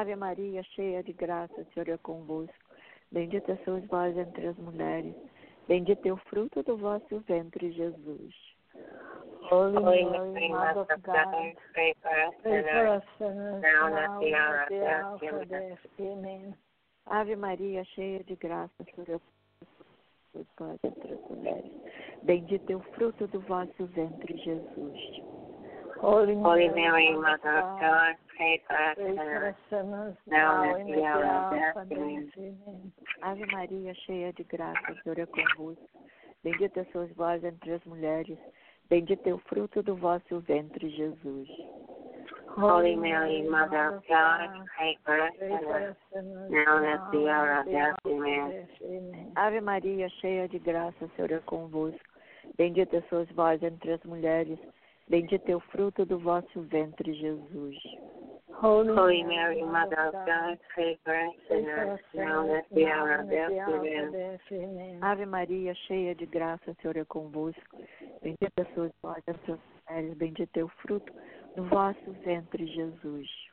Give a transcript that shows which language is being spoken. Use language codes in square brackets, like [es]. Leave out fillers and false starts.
[pt] Ave Maria, cheia de graça, o Senhor é convosco. Bendita sois vós entre as mulheres. Bendito é o fruto do vosso ventre, Jesus. [en] Holy Mary, Mother of God, pray for us sinners now and at the hour of death. [pt] Amen. Ave Maria, cheia de graça, o Senhor é convosco. Bendito é o fruto do vosso ventre, Jesus. [en] Holy Mary, Mother of God, pray for us sinners now and at the hour of death. [pt] Ave Maria, cheia de graça, o Senhor é convosco. Bendita sois vós entre as mulheres. Bendito é o fruto do vosso ventre, Jesus. [en] Holy Mary, Mother of God, pray for us sinners now and at the hour of death. Amen. [pt] Ave Maria, cheia de graça, o Senhor é convosco. Bendita sois vós entre as mulheres. Bendito é o fruto do vosso ventre, Jesus. [en] Holy Mary, Mother of God, pray for us sinners now and at the hour of death. Amen. [pt] Ave Maria, cheia de graça, o Senhor é convosco. Bendita sois vós entre as mulheres. Bendito é o fruto do vosso ventre, Jesus.